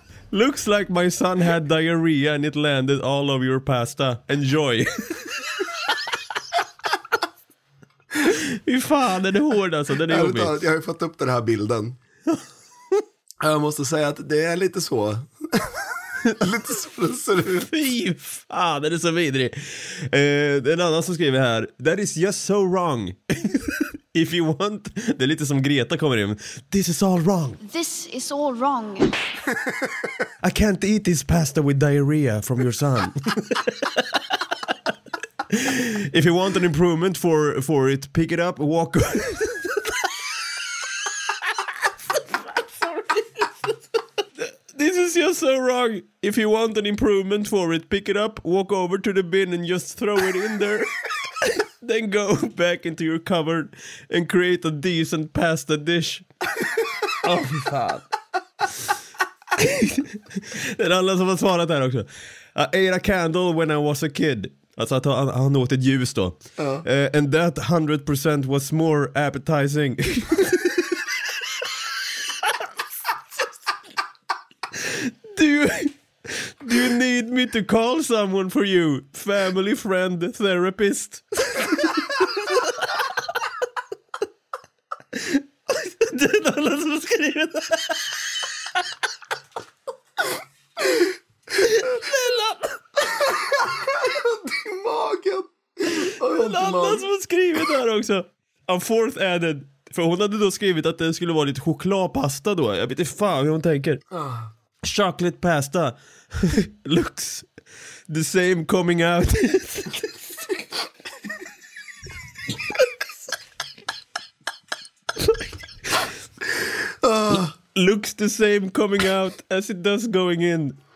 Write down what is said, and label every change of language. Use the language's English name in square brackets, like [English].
[English] "Looks like my son had diarrhea and it landed all over your pasta. Enjoy." [Swedish] Hur fan är det hård alltså? Den är jobbig. Jag har ju fått upp den här bilden. Jag måste säga att det är lite så. Lite så ser det ut. Fy fan, den är så vidrig. Det är en annan som skriver här: [English] "That is just so wrong. If you want..." [Swedish] Det är lite som Greta kommer in. [English] "This is all wrong. This is all wrong. I can't eat this pasta with diarrhea from your son. If you want an improvement for it, pick it up, walk..." "This is just so wrong. If you want an improvement for it, pick it up, walk over to the bin and just throw it in there. Then go back into your cupboard and create a decent pasta dish." [Swedish] Oh, fan. Det är alla som har svarat här också. [English] "I ate a candle when I was a kid." [Swedish] Alltså att han åt ett ljus då. [English] "And that 100% was more appetizing." Do you need me to call someone for you? Family, friend, therapist." [Swedish] Det är alla som har skrivit det. Din magen. Det är alla som har skrivit det här också. [English] "I'm fourth added." [Swedish] För hon hade då skrivit att det skulle vara lite chokladpasta då. Jag vet inte fan hur hon tänker. [English] "Chocolate pasta looks the same coming out." "Looks the same coming out as it does going in.